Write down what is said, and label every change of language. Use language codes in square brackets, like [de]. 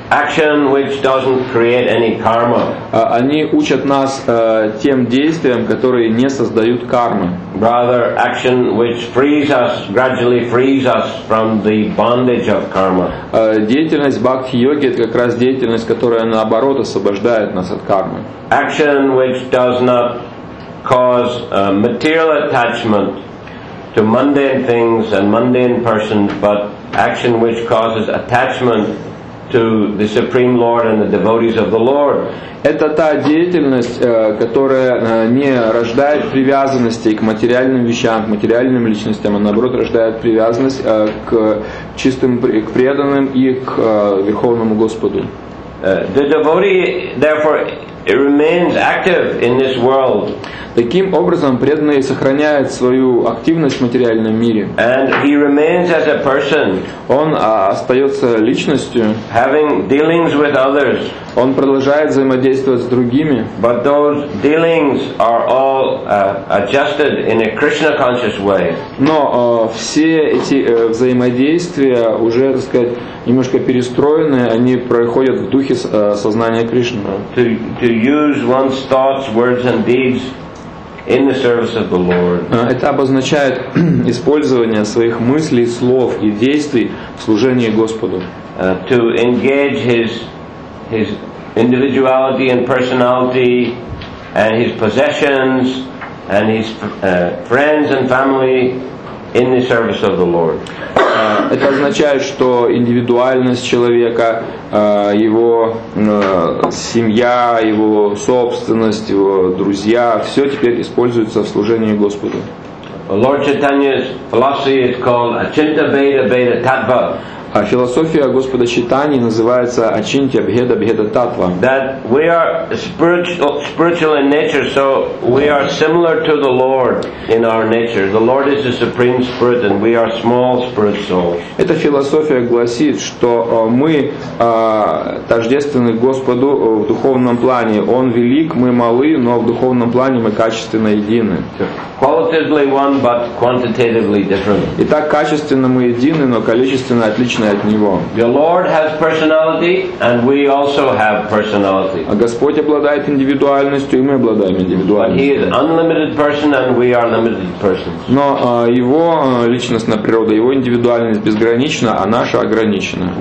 [en] Action which doesn't create any karma. [ru] Они учат нас тем действиям, которые не создают кармы. [en] Rather, action which frees us, gradually frees us from the bondage of karma. [ru] Деятельность бхакти-йоги — это как раз деятельность, которая, наоборот, освобождает нас от кармы. [en] Action which does not cause material attachment to mundane things and mundane persons, but action which causes attachment to the Supreme Lord and the devotees of the Lord. [ru] Это та деятельность, которая не рождает привязанности к материальным вещам, к материальным личностям, а наоборот рождает привязанность к чистым, к преданным и к Верховному Господу. [en] The devotee, therefore, it remains active in this world. [ru] Таким образом, преданный сохраняет свою активность в материальном мире. [en] And he remains as a person. [ru] Он остается личностью. [en] Having dealings with others. [ru] Он продолжает взаимодействовать с другими. [en] But those dealings are all adjusted in a Krishna conscious way. [ru] Но все эти взаимодействия уже, так сказать, немножко перестроены, они проходят в духе сознания Кришны. [en] To use one's thoughts, words and deeds in the service of the Lord. [ru] Это обозначает использование своих мыслей, слов и действий в служении Господу. [en] To engage his individuality and personality and his possessions and his friends and family in the service of the Lord. [ru] Это означает, что индивидуальность человека, его семья, его собственность, его друзья, все теперь используется в служении Господу. [en] Lord Chaitanya's philosophy is called Achintya Bheda Bheda Tattva. [ru] А философия Господа Чайтаньи называется Ачинтья Бхеда Бхеда Таттва. [en] That we are spiritual in nature, so we are similar to the Lord in our nature. The Lord is the supreme spirit, and we are small spirit souls. [ru] Эта философия гласит, что мы тождественны Господу в духовном плане. Он велик, мы малы, но в духовном плане мы качественно едины. [en] Qualitatively one, but quantitatively different. [ru] Итак, качественно мы едины, но количественно отличны. [en] The Lord has personality, and we also have personality. [ru] А Господь обладает индивидуальностью, и мы обладаем индивидуальностью. [en] But He is unlimited person, and we are limited persons. [ru] Но его личностная природа, его индивидуальность безгранична, а наша ограничена.